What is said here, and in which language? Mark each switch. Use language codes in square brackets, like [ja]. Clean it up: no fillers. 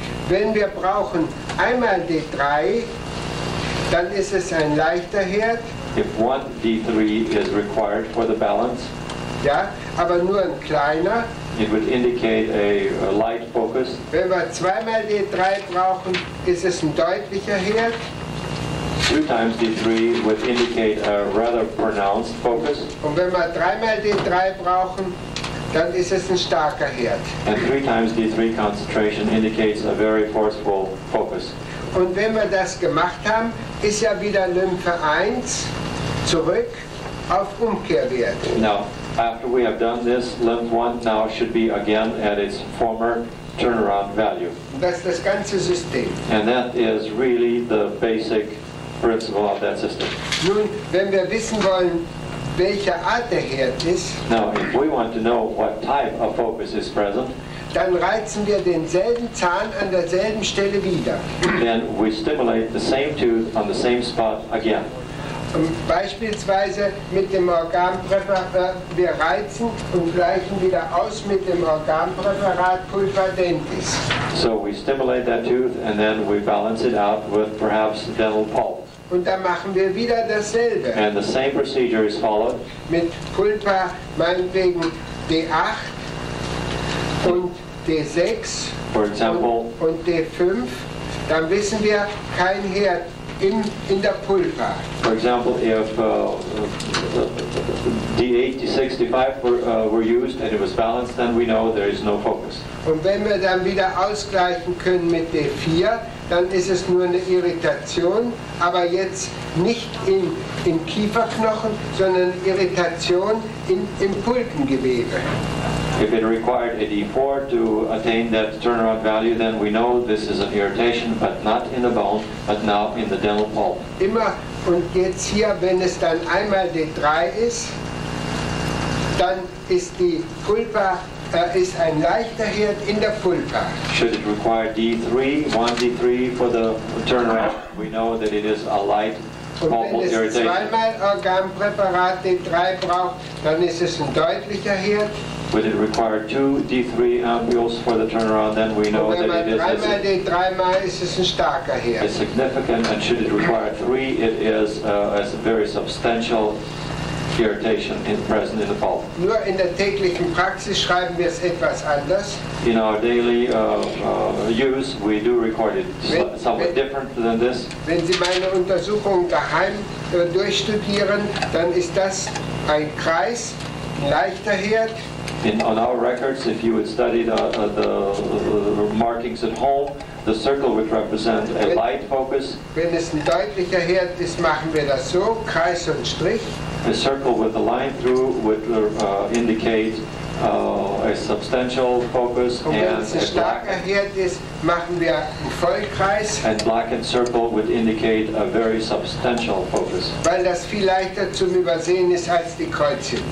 [de] Wenn wir brauchen einmal D3, dann ist es ein leichter Herd. [en] If one D3 is required for the balance, [de] ja, aber nur ein kleiner. [en] It would indicate a light focus. [de] Wenn wir zweimal D3 brauchen, ist es ein deutlicher Herd. [en] Two times D3 would indicate a rather pronounced focus. [de] Und wenn wir dreimal D3 brauchen, dann ist es ein starker Herd. [en] And three times D3 concentration indicates a very forceful focus. [de] Und wenn wir das gemacht haben, ist ja wieder Lymphe 1 zurück auf Umkehrwert. [en] Now, after we have done this, Lymph 1 now should be again at its former turnaround value. [de] Das ist das ganze System. [en] And that is really the basic principle of that system. [de] Nun, wenn wir wissen wollen, welche Art der Herd ist. [en] Now, if we want to know what type of focus is present, [de] dann reizen wir denselben Zahn an derselben Stelle wieder. [en] Then we stimulate the same tooth on the same spot again. [de] Und beispielsweise mit dem Organpräparat, wir reizen und gleichen wieder aus mit dem Organpräparat Pulpa Dentis. [en] So we stimulate that tooth and then we balance it out with perhaps dental pulp. [de] Und dann machen wir wieder dasselbe. [en] And the same procedure is followed. [de] Mit Pulpa, meinetwegen D8 und D6 [en] for example, [de] und D5, dann wissen wir, kein Herd in der Pulpa. [en] For example, if D8, D6, D5 were used and it was balanced, then we know there is no focus. [de] Und wenn wir dann wieder ausgleichen können mit D4, dann ist es nur eine Irritation, aber jetzt nicht im Kieferknochen, sondern Irritation im Pulpengewebe. [en] If it required a D4 to attain that turnaround value, then we know this is an irritation, but not in the bone, but now in the dental pulp. [de] Immer und jetzt hier, wenn es dann einmal D3 ist, dann ist die Pulpa, ist ein leichter Herd in der Pulpa. [en] Should it require D3, 1D3 for the turnaround, we know that it is a light pulp irritation. [de] Und wenn es zweimal Organpräparat D3 braucht, dann ist es ein deutlicher Herd. [en] Would it require two D3 ampules for the turnaround, then we know that it is a significant, and should it require three, it is a very substantial irritation in present in the pulp. [de] Nur in der täglichen Praxis schreiben wir es etwas anders. [en] In our daily use, we do record it somewhat different than this. [de] Wenn Sie meine Untersuchung daheim durchstudieren, dann ist das ein Kreis, leichter Herd. [en] In on our records, if you would study the markings at home, the circle would represent a light focus. [de] Wenn es ein deutlicher Herd ist, machen wir das so, Kreis und Strich. [en] A circle with a line through would indicate a substantial focus and black and circle would indicate a very substantial focus. [de] Weil das viel leichter zum Übersehen ist als die Kreuzchen.